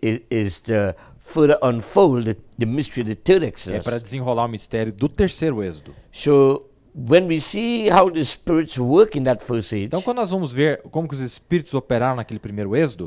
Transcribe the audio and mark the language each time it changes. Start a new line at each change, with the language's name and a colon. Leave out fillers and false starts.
English: is to further unfold the mystery of the third Exodus.
Portuguese: É para desenrolar o mistério do terceiro êxodo.
English: So when we see how the spirits work in that first age,
Portuguese: então quando nós vamos ver como que os espíritos operaram naquele primeiro êxodo,